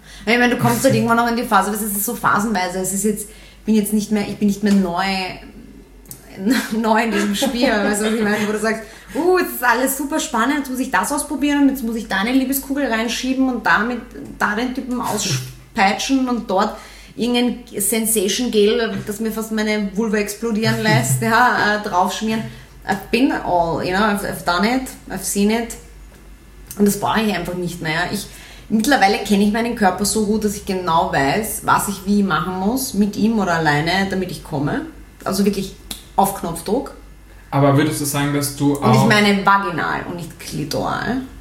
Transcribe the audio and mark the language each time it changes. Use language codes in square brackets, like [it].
[de] Ich meine, du kommst halt irgendwann noch in die Phase, weil es ist so phasenweise. Es ist jetzt, ich bin nicht mehr neu in diesem Spiel. Weißt du, was ich meine? Wo du sagst, jetzt ist alles super spannend, jetzt muss ich das ausprobieren und jetzt muss ich da eine Liebeskugel reinschieben und damit da den Typen auspeitschen und dort irgendein Sensation-Gel, das mir fast meine Vulva explodieren lässt, ja, draufschmieren. [en] I've been all, you know, I've done it, I've seen it. [de] Und das brauche ich einfach nicht mehr. Mittlerweile kenne ich meinen Körper so gut, dass ich genau weiß, was ich wie machen muss, mit ihm oder alleine, damit ich komme. Also wirklich auf Knopfdruck. Aber würdest du sagen, dass du auch... Und ich meine vaginal und nicht klitoral.